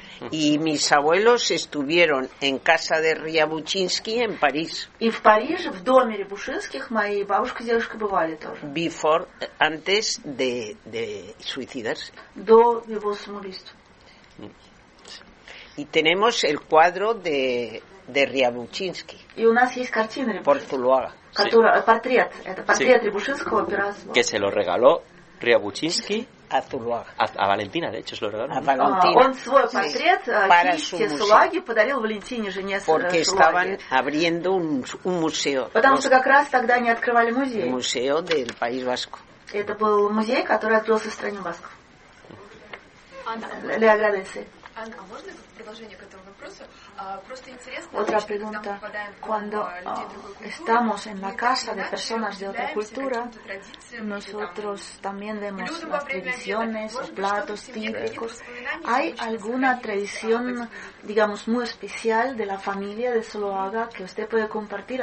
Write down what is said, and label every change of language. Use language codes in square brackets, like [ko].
[es] Y mis abuelos estuvieron en casa de Рябушинский en París. [ru] Y в Париже, в доме Рябушинских, мои бабушка и дедушка бывали тоже. [es] Before, antes de suicidarse. [ru] До его самоубийства. [es] Y tenemos el cuadro de Рябушинский. [ru] И у нас есть картина Рябушинского. Портрет. Это портрет Рябушинского пера. [es] Que se lo regaló Рябушинский. A Zuluaga. A Valentina, de hecho, se lo regaló. A Valentina. [ru] Он свой портрет Кисти Сулаги подарил Валентине, жене Сулаги. [es] Porque estaban abriendo un museo. [ru] Потому что как раз тогда они открывали музей. [es] Museo del País Vasco. [ru] Это был музей, который открылся в стране Басков. [es] Le agradece. [ru] Анна, а можно продолжение к этому вопросу? [es] Otra pregunta. Cuando estamos en la casa de personas de otra cultura, nosotros también vemos las tradiciones, los platos típicos. ¿Hay alguna tradición, digamos, muy especial de la familia de Zuloaga que usted puede compartir?